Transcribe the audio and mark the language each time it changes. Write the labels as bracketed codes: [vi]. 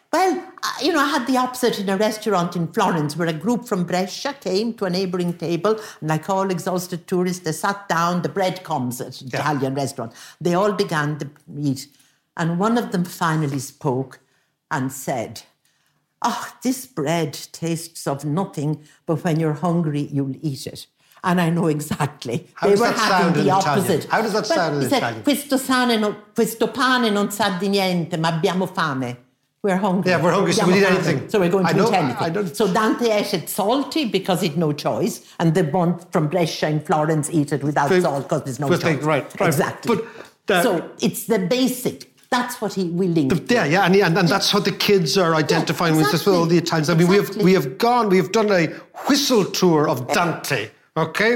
[en] Well, you know, I had the opposite in a restaurant in Florence where a group from Brescia came to a neighbouring table, and like all exhausted tourists, they sat down, the bread comes at an Italian restaurant. They all began to eat, and one of them finally spoke and said, "Oh, this bread tastes of nothing, but when you're hungry, you'll eat it." And I know exactly. How does that sound in Italian? He said, [it] questo pane non sa di niente, ma abbiamo fame. [en] We're hungry. Yeah, we're hungry, so we need anything. So we're going to eat anything. So Dante ate it salty because he'd no choice, and the one from Brescia in Florence eat it without salt because there's no choice. Right. Exactly. So it's the basic. That's what we linked. And that's how the kids are identifying with all the Italians. I mean, we have done a whistle tour of Dante, okay?